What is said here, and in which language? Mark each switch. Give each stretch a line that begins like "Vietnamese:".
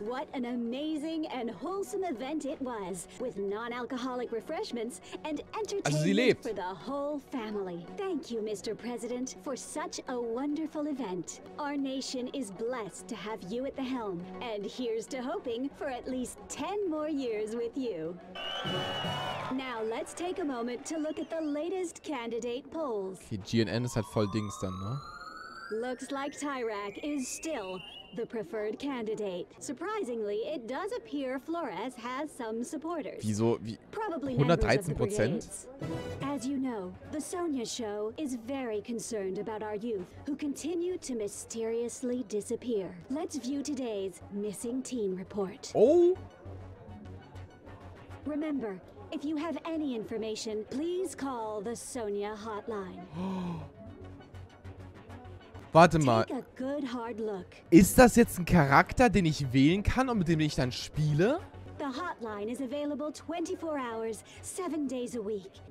English: What an amazing and wholesome event it was, with non-alcoholic refreshments and entertainment for the whole family. Thank you, Mr. President, for such a wonderful event. Our nation is blessed to have you at the helm. And here's to hoping for at least 10 more years with you. Now let's take a moment to look at the latest candidate polls.
German: Okay, GNN ist halt voll Dings dann, ne?
English: Looks like Tyrak is still the preferred candidate. Surprisingly, it does appear Flores has some supporters.
German: Wieso? Wie? 113%?
English: As you know, the Sonia Show is very concerned about our youth, who continue to mysteriously disappear. Let's view today's missing teen report. Oh! Remember, if you have any information, please call the Sonia hotline.
German: Warte mal.
English: Take a good hard look.
German: Ist das jetzt ein Charakter, den ich wählen kann und mit dem ich dann spiele?
English: The hotline is available 24 hours, 7 days a week.